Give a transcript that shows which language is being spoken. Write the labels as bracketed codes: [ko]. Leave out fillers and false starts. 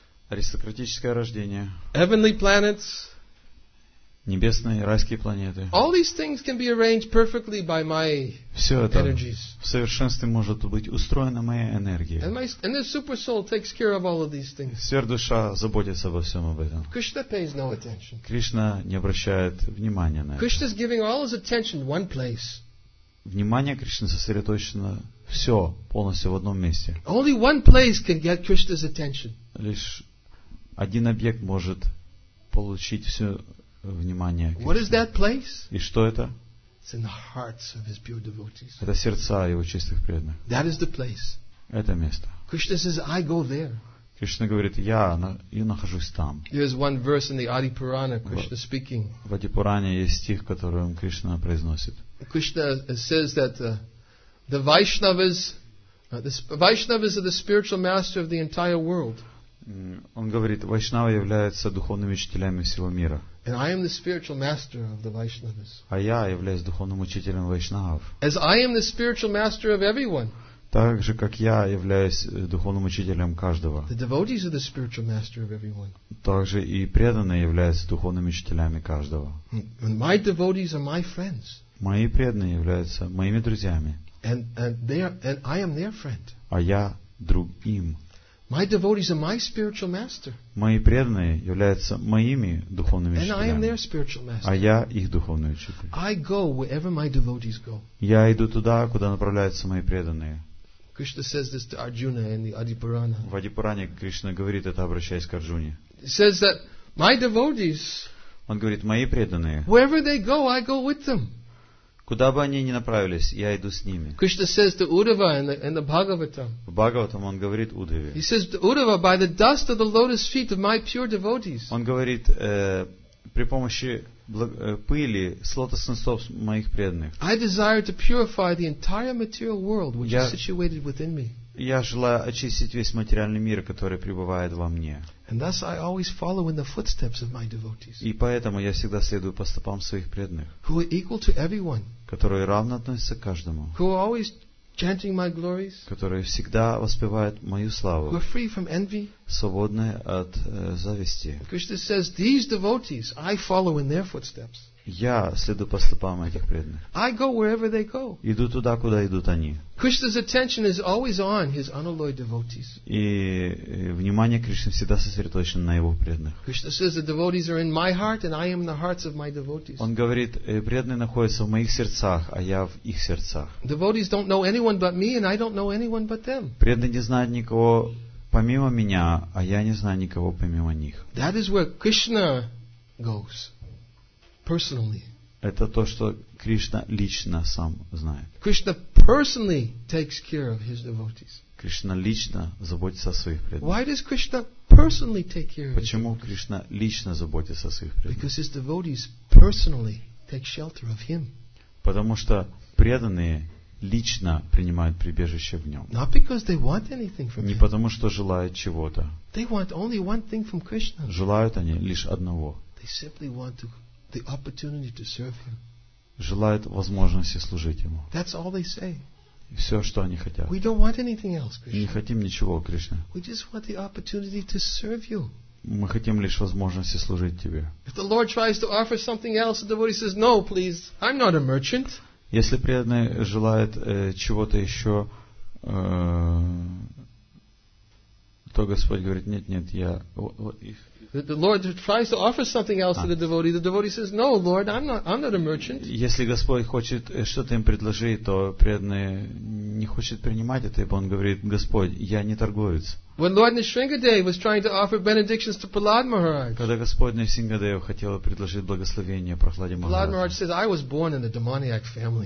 [ru] Аристократическое рождение. [en] Heavenly planets. [ru] Небесные и райские планеты. [en] All these things can be arranged perfectly by my [ru] все это [en] energies. [ru] В совершенстве может быть устроено моя энергия. [en] And the super soul takes care of all of these things. [ru] Сверхдуша заботится обо всем об этом. [en] Krishna pays no attention. [ru] Кришна не обращает внимания на это. [en] Krishna is giving all his attention in one place. [ru] Внимание Кришны сосредоточено все полностью в одном месте. [en] Only one place can get Krishna's attention. [ru] Лишь один объект может получить все внимание Кришны. [en] What is that place? [ru] И что это? [en] It's in the hearts of his pure devotees. [ru] Это сердца его чистых преданных. [en] That is the place. [ru] Это место. [en] Krishna says, I go there. [ru] Кришна говорит, я нахожусь там. [en] There is one verse in the Adi Purana, Krishna speaking. [ru] В Ади Пуране есть стих, который Кришна произносит. [en] Krishna says that the Vaishnavas are the spiritual master of the entire world. [ru] Он говорит, Вайшнавы являются духовными учителями всего мира. [en] And I am the spiritual master of the Vaishnavas. [ru] А я являюсь духовным учителем Вайшнавов. [en] As I am the spiritual master of everyone. [ru] Так же, как я являюсь духовным учителем каждого. [en] The devotees are the spiritual master of everyone. [ru] Так же и преданные являются духовными учителями каждого. [en] And my devotees are my friends. [ru] Мои преданные являются моими друзьями. [en] And I am their friend. [ru] А я друг им. [en] My devotees are my spiritual master. [ru] Мои преданные являются моими духовными учителями. [en] And I am their spiritual master. [ru] А я их духовный учитель. [en] I go wherever my devotees go. [ru] Я иду туда, куда направляются мои преданные. [en] Krishna says this to Arjuna in the Adi Purana. [ru] В Ади Пуране Кришна говорит это, обращаясь к Арджуне. [en] He says that my devotees. [ru] Он говорит, мои преданные. [en] Wherever they go, I go with them. [ru] Куда бы они ни направились, я иду с ними. [en] Krishna says to Uddhava in the Bhagavatam. [ru] В Бхагаватам он говорит Удхаве. [en] He says to Uddhava by the dust of the lotus feet of my pure devotees. [ru] Он говорит при помощи пыли с лотосных стоп моих преданных. [en] I desire to purify the entire material world which is situated within me. [ru] Я желаю очистить весь материальный мир, который пребывает во мне. [en] And thus I always follow in the footsteps of my devotees. [ru] И поэтому я всегда следую по стопам своих преданных. [en] Who are equal to everyone. [ru] Которые равно относятся к каждому. [en] Who are always chanting my glories. [ru] Которые всегда воспевают мою славу. [en] Who are free from envy. [ru] Свободные от зависти. [en] Krishna says, these devotees, I follow in their footsteps. [ru] Я следую по стопам этих преданных. [en] I go wherever they go. [ru] Иду туда, куда идут они. [en] Krishna's attention is always on his unalloyed devotees. [ru] И внимание Кришны всегда сосредоточено на его преданных. [en] Krishna says the devotees are in my heart and I am in the hearts of my devotees. [ru] Он говорит, преданные находятся в моих сердцах, а я в их сердцах. [en] Devotees don't know anyone but me and I don't know anyone but them. [ru] Преданные не знают никого помимо меня, а я не знаю никого помимо них. [en] That is where Krishna goes. Personally. [ru] Это то, что Кришна лично сам знает. [en] Krishna personally takes care of his devotees. [ru] Кришна лично заботится о своих преданных. [en] Why does Krishna personally take care of? [ru] Почему Кришна лично заботится о своих преданных? [en] Because his devotees personally take shelter of him. [ru] Потому что преданные лично принимают прибежище в нем. [en] Not because they want anything from him. [ru] Не потому что желают чего-то. [en] They want only one thing from Krishna. [ru] Желают они лишь одного. [en] They simply want to the opportunity to serve him. [ru] Желают возможности служить ему. [en] That's all they say. [ru] Все, что они хотят. [en] We don't want anything else, Krishna. [ru] Не хотим ничего, Кришна. [en] We just want the opportunity to serve you. [ru] Мы хотим лишь возможности служить тебе. [en] If the Lord tries to offer something else, the devotee says, "No, please. I'm not a merchant." [ru] Если преданный желает чего-то еще, то Господь говорит: "Нет, нет, я [en] The Lord tries to offer something else to the devotee. The devotee says, "No, Lord, I'm not a merchant." [ru] Если Господь хочет что-то им предложить, то преданный не хочет принимать это, ибо он говорит: "Господь, я не торговец." [en] When Lord Nisringadev was trying to offer benedictions to Prahlad Maharaj, [ru] когда Господь Нисингадев хотел предложить благословение Прахладе Махараджу, [en] Prahlad Maharaj says, "I was born in a demoniac family."